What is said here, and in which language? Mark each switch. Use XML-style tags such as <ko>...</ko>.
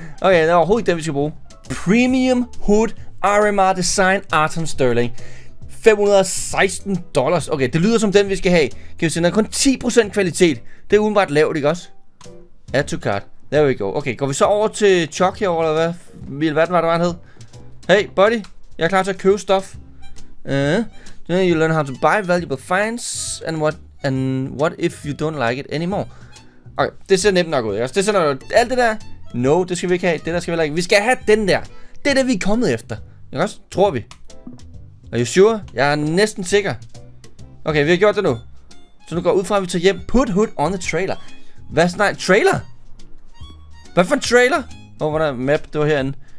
<da>Okay, det er overhovedet ikke den, vi skal bruge. Premium Hood RMR Design Arton Sterling. $516. Okay, det lyder som den, vi skal have. Kan vi se, den er kun 10% kvalitet. Det er udenbart lavt, ikke også?</da> <en>Add to cart. There we go.</en> <da>Okay, går vi så over til Chuck her, eller hvad? Hvad var det, han hed?</da> <en>Hey, buddy.</en> <da>Jeg er klar til at købe stof.</da> <en>Then you learn how to buy valuable finds. And what if you don't like it anymore?</en> <da>Okay, det ser nemt nok ud, ikke? Det ser nok ud. Alt det der.</da> <en>No,</en> <da>det skal vi ikke have. Det der skal vi ikke. Vi skal have den der. Det er det, vi er kommet efter. Ikke også? Tror vi.</da> <en>Are you sure?</en> <da>Jeg er næsten sikker. Okay, vi har gjort det nu. Så nu går ud fra, at vi tager hjem.</da> <en>Put hood on the trailer.</en> <da>Hvad er sådan trailer? Hvad for en trailer? Hvor er map? Det var herinde.</da>